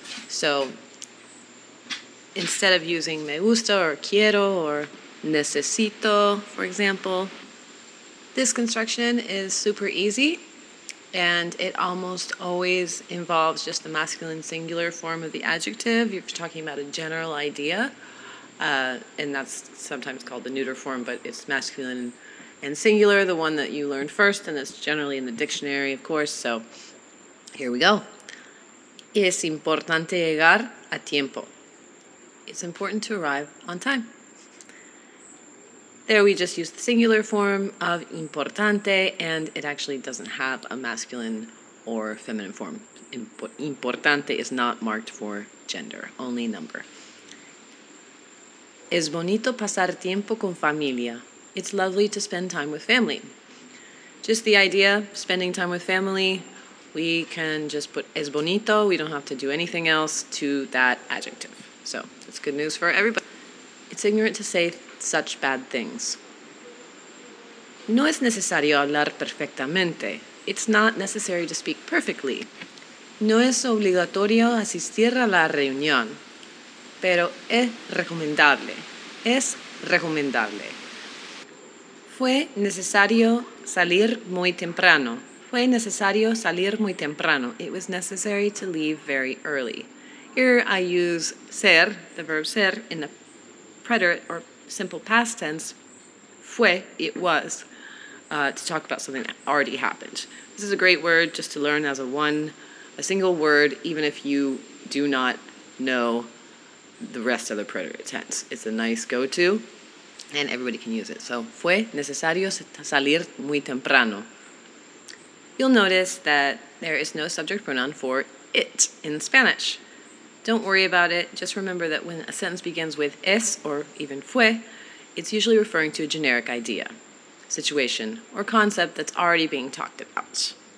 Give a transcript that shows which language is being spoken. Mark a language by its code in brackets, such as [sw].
[en] So instead of using me gusta or quiero or necesito, for example, this construction is super easy, and it almost always involves just the masculine singular form of the adjective. You're talking about a general idea, and that's sometimes called the neuter form, but it's masculine and singular, the one that you learned first, and that's generally in the dictionary, of course. So here we go. [es] Es importante llegar a tiempo. [en] It's important to arrive on time. There we just use the singular form of importante, and it actually doesn't have a masculine or feminine form. Importante is not marked for gender, only number. [es] Es bonito pasar tiempo con familia. [en] It's lovely to spend time with family. Just the idea, spending time with family, we can just put es bonito. We don't have to do anything else to that adjective. So it's good news for everybody. It's ignorant to say such bad things. [es] No es necesario hablar perfectamente. [en] It's not necessary to speak perfectly. [es] No es obligatorio asistir a la reunión. Pero es recomendable. Es recomendable. Fue necesario salir muy temprano. Fue necesario salir muy temprano. [en] It was necessary to leave very early. Here I use ser, the verb ser, in the preterite or simple past tense, fue, it was, to talk about something that already happened. This is a great word just to learn as a single word, even if you do not know the rest of the preterite tense. It's a nice go-to, and everybody can use it. [es] So, fue necesario salir muy temprano. [en] You'll notice that there is no subject pronoun for it in Spanish. Don't worry about it. Just remember that when a sentence begins with es or even fue, it's usually referring to a generic idea, situation, or concept that's already being talked about.